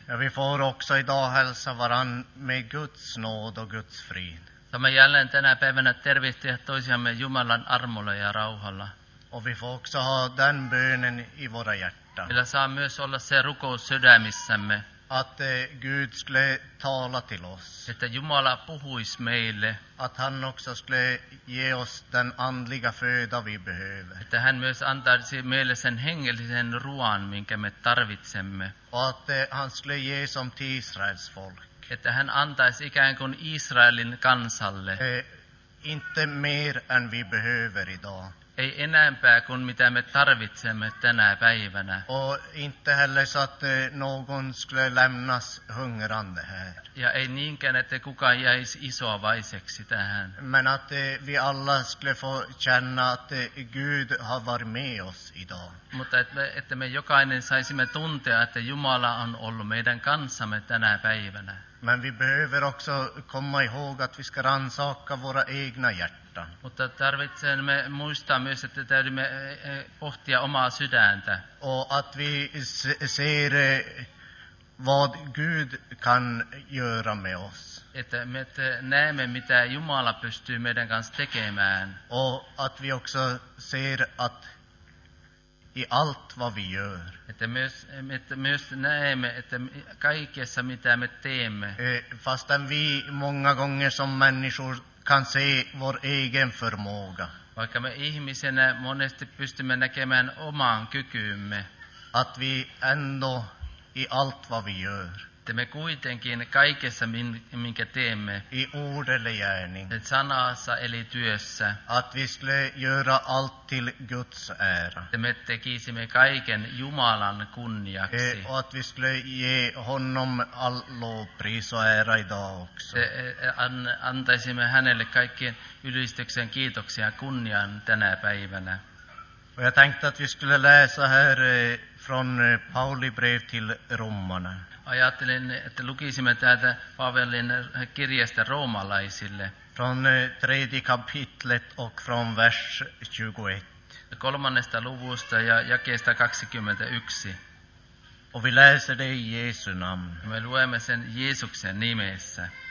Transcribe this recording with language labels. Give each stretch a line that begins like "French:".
Swedish: får också idag hälsa varann med Guds nåd och Guds frid.
Finnish: Tämä jälleen tänä päivänä tervehtiä toisiamme Jumalan armolla ja rauhalla.
Swedish: Och vi får också ha den bönen i våra hjärtan.
Finnish: Meillä saa myös olla se rukous sydämissämme.
Swedish: Att Gud skulle tala till oss.
Finnish: Että Jumala puhuis meille.
Swedish: Att han också skulle ge oss den andliga föda vi behöver.
Finnish: Että hän myös antaisi meille sen hengellisen ruoan, minkä me tarvitsemme.
Swedish: Och att han skulle ge som till Israels folk.
Finnish: Että hän antaisi ikään kuin Israelin kansalle.
Swedish: Inte mer än vi behöver idag.
Finnish: Ei enempää kuin mitä me tarvitsemme tänä päivänä.
Swedish: Och inte heller så att någon skulle lämnas hungrande här.
Finnish: Ja ei niinkään, että kukaan jäisi isovaiseksi tähän.
Swedish: Men att vi alla skulle få känna att Gud har varit med oss idag.
Finnish: Mutta että me jokainen saisimme tuntea, että Jumala on ollut meidän kanssamme tänä päivänä.
Swedish: Men vi behöver också komma ihåg att vi ska rannsaka våra egna hjärtan.
Finnish: Mutta tarvitsemme muistaa myös, että täytyy pohtia omaa sydäntä.
Swedish: Och att vi ser vad Gud kan göra med oss.
Finnish: Että me näemme, mitä Jumala pystyy meidän kanssa tekemään.
Swedish: Och att vi också ser att i allt vad vi gör.
Finnish: Että myös näemme, että kaikessa mitä me teemme.
Swedish: Fastän vi många gånger som människor kan se vår egen förmåga.
Finnish: Vaikka me ihmisenä monesti pystymme näkemään oman kykymme.
Swedish: Att vi ändå i allt vad vi gör.
Finnish: Että me kuitenkin kaikessa minkä teemme.
Swedish: I ord eller gärning.
Finnish: Että sanassa eli työssä.
Swedish: Att vi skulle göra allt till Guds ära.
Finnish: Että me tekisimme kaiken Jumalan kunniaksi.
Swedish: Och att vi skulle ge honom all lovpris och ära idag också.
Finnish: Antaisimme hänelle kaikkien ylistyksen, kiitoksia ja kunnian tänä päivänä.
Swedish: Och jag tänkte att vi skulle läsa här från Pauli brev till romarna.
Finnish: Ajattelin, että lukisimme täältä Pavelin kirjasta roomalaisille.
Swedish: Från tredje kapitlet och från vers 21.
Finnish: Kolmannesta luvusta ja jakeesta 21.
Swedish: Och vi läser det i Jesu namn.
Finnish: Me luemme sen Jeesuksen nimessä.